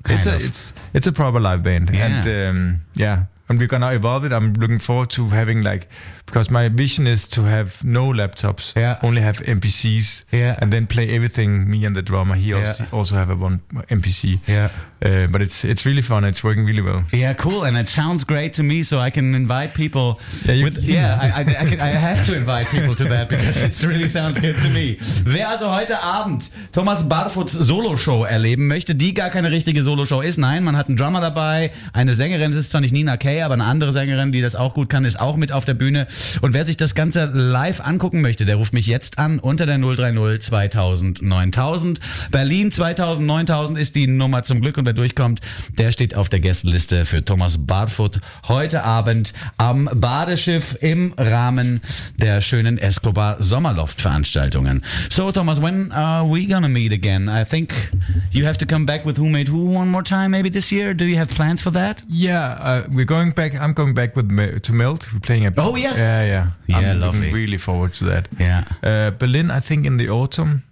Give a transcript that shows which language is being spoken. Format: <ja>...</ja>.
<en>It's a proper live band, and and we're gonna evolve it. I'm looking forward to having like, because my vision is to have no laptops, only have NPCs, and then play everything, me and the drummer. He also have a 1 NPC. Yeah. But it's really fun. It's working really well. Yeah, cool. And it sounds great to me, so I can invite people. I have to invite people to that because it really sounds good to me.</en> <de>Wer also heute Abend Thomas Barfuts Solo-Show erleben möchte, die gar keine richtige Solo-Show ist, nein, man hat einen Drummer dabei, eine Sängerin, es ist zwar nicht Nina Kay, aber eine andere Sängerin, die das auch gut kann, ist auch mit auf der Bühne. Und wer sich das Ganze live angucken möchte, der ruft mich jetzt an unter der 030 2000 9000. Berlin 2000 9000 ist die Nummer zum Glück. Und wer durchkommt, der steht auf der Gästeliste für Thomas Barfuth heute Abend am Badeschiff im Rahmen der schönen Escobar Sommerloft-Veranstaltungen.</de> <en>So Thomas, when are we gonna meet again? I think you have to come back with Who Made Who one more time maybe this year. Do you have plans for that? Yeah, I'm going back to Melt. We're playing a bit. Oh, yes. Yeah, I'm looking really forward to that. Yeah. Berlin, I think in the autumn.</en>